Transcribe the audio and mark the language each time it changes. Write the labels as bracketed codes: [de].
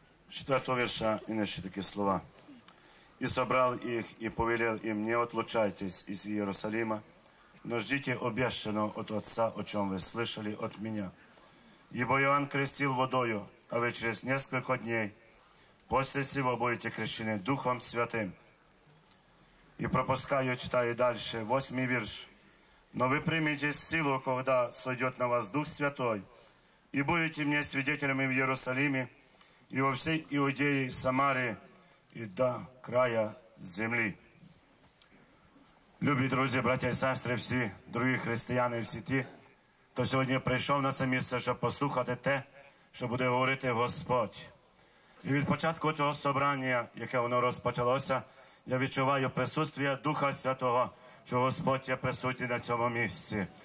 [uk] 4-го вірша, і ще такі слова. «І собрав їх, і повелів їм, не відлучайтесь із Єрусалима, но ждіть обіщеного от Отця, о чому ви слышали от мене. Ібо Іоанн крестив водою, а ви через [ru] несколько дней после сего [uk] будете крещені Духом Святим». І пропускаю, читаю далі, 8-й вірш. [ru] «Но ви приймете силу, когда сойдет на вас Дух Святой, и будете мне свидетелями в Иерусалиме, и во всей Иудее, Самарии, и до края земли». [uk] Любі друзі, братья и сестри, всі другі християни, всі ті, хто сьогодні прийшов на це місце, щоб послухати те, що буде говорити Господь. І від початку цього собрання, яке воно розпочалося, я відчуваю присутствие Духа Святого, що Господь є присутній на цьому місці.